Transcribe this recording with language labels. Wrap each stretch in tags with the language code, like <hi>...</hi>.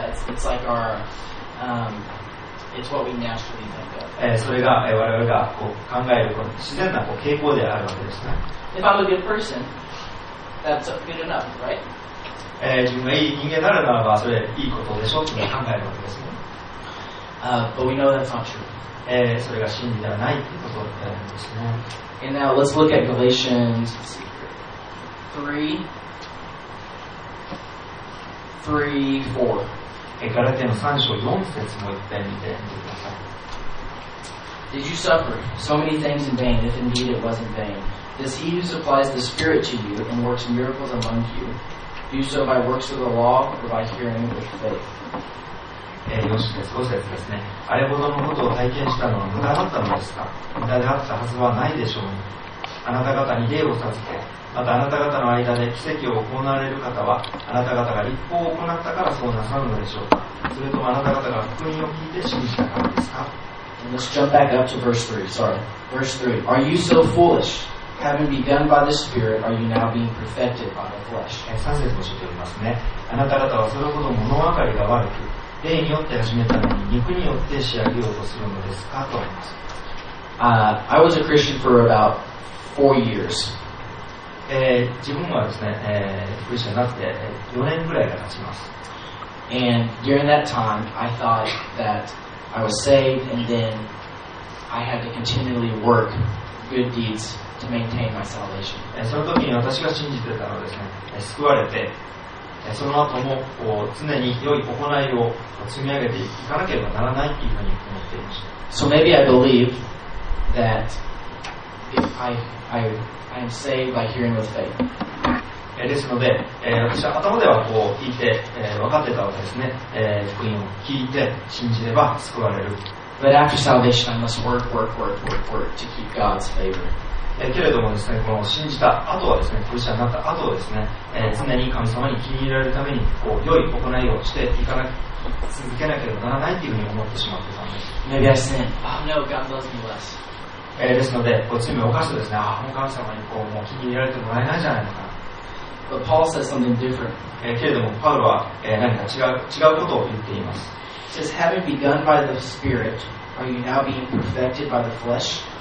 <en>It's like our, it's what we naturally think of.</en> <ja>それが我々がこう考えるこの自然なこう傾向であるわけですね。</ja> <en>If I'm a good person, that's good enough, right?</en> <ja>自分がいい人間ならならばそれいいことでしょうって考えるわけですね。</ja> <en>But we know that's not true.</en> <ja>それが真理ではないってことなんですね。</ja> <en>And now let's look at Galatians 3:4.</en> <ja>ガラテの3章4節も一遍見てみてください。</ja> <en>Did you suffer so many things in vain, if indeed it was in vain? Does he who supplies the Spirit to you and works miracles among you? Do so by works of the law or by hearing with faith.</en> <ja>4節です。5節ですね。あれほどのことを体験したのは無駄だったのですか？無駄であったはずはないでしょうに。あなた方に霊を授け、またあなた方の間で奇跡を行われる方は、あなた方が立法を行ったからそうなさるのでしょうか？それともあなた方が福音を聞いて信じたからですか？</ja> <en>And let's jump back up to verse 3. Sorry. Verse 3. Are you so foolish? Having begun by the Spirit, are you now being perfected by the flesh?</en> <ja>3節を教えておりますね。あなた方はそれほど物分かりが悪く、霊によって始めたのに肉によって仕上げようとするのですかと思います。</ja> <en>I was a Christian for about 4 years.</en> <ja>自分はですね、クリスチャンになって4年ぐらいが経ちます。</ja> <en>And during that time, I thought that I was saved and then I had to continually work good deeds to maintain my salvation.</en> <ja>その時に私が信じてたのはですね、救われて、その後もこう常に良い行いを積み上げていかなければならないというふうに思っていました。</ja> <en>So maybe I believe that if I am saved by hearing with faith.</en> <ja>ですので、私は頭ではこう聞いて、分かってたわけですね、福音を聞いて信じれば救われる。</ja> <en>But after salvation, I must work to keep God's favor.</en> <ja>けれどもですね、この信じた後はですね、クリスチャンになった後はですね、常に神様に気に入られるためにこう良い行いをしていかなき続けなければならないというふうに思ってしまってたんです。</ja> <en>Maybe I sin. Oh no, God loves me less.</en> <ja>ですので、こう罪を犯すとですね、もう神様にこうもう気に入られてもらえないじゃないのか。</ja> <en>But Paul says something different.</en> <ja>けれどもパウロは何か違うことを言っています。</ja> <en>He says, having begun by the Spirit, are you now being perfected by the flesh?</en>